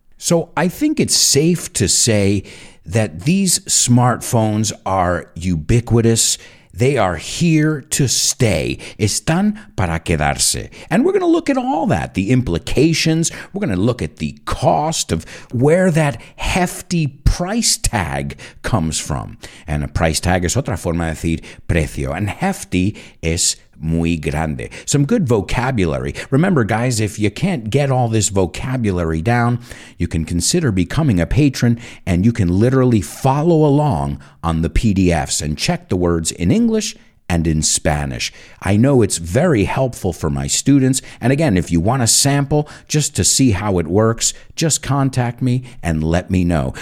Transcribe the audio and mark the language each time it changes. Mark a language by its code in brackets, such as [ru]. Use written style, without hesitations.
[en] So I think it's safe to say that these smartphones are ubiquitous. They are here to stay. [es] Están para quedarse. [en] And we're going to look at all that, the implications. We're going to look at the cost of where that hefty price tag comes from. And a price tag is [es] otra forma de decir precio. And hefty es muy grande. [en] Some good vocabulary. Remember, guys, if you can't get all this vocabulary down, you can consider becoming a patron and you can literally follow along on the PDFs and check the words in English and in Spanish. I know it's very helpful for my students. And again, if you want a sample just to see how it works, just contact me and let me know.